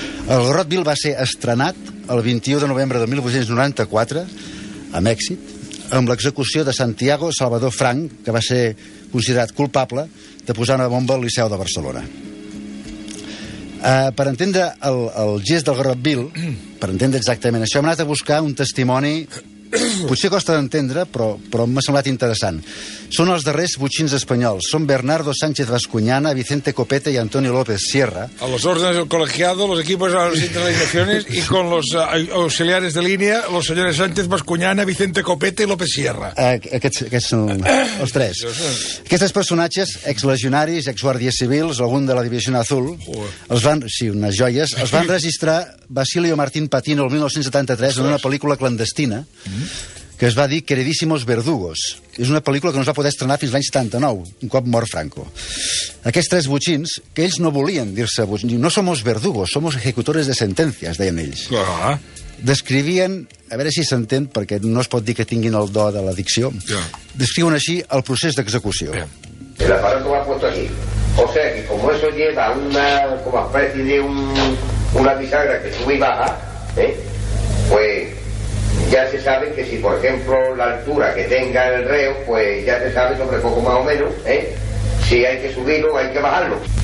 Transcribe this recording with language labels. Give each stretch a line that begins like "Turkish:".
Catalan: El Garrot Vil va ser estrenat el 21 de novembre de 1894, amb èxit, amb l'execució de Santiago Salvador Franc, que va ser considerat culpable de posar una bomba al Liceu de Barcelona. Per entendre el gest del Garrot Vil, per entendre exactament això, hem anat a buscar un testimoni Potser costa d'entendre, però m'ha semblat interessant. Són els darrers botxins espanyols. Són Bernardo Sánchez Bascuñana, Vicente Copete i Antonio López Sierra.
Spanish: A los órdenes del colegiado, los equipos a las internacionales y con los auxiliares de línea, los señores Sánchez Bascuñana, Vicente Copete i López Sierra.
Catalan: Aquests són els tres. Aquests personatges, exlegionaris, exguàrdies civils, algun de la divisió azul, els van... Sí, unes joies. Els van registrar Basilio Martín Patino el 1973 en una pel·lícula clandestina que es va dir Queridísimos Verdugos. És una pel·lícula que no es va poder estrenar fins l'any 79, un cop mort Franco. Aquests tres botxins, que ells no volien dir-se botxins,
Spanish: no somos verdugos, somos ejecutores de sentencias,
Catalan: deien ells. Descrivien, a veure si s'entén, perquè no es pot dir que tinguin el do de la dicció, descriuen així el procés d'execució.
Spanish: El aparato va puesto aquí. O sea, que como eso lleva una, como especie de un, una bisagra que sube y baja, pues ya se sabe que si, por ejemplo, la altura que tenga el reo, pues ya se sabe sobre poco más o menos, si hay que subirlo o hay que bajarlo.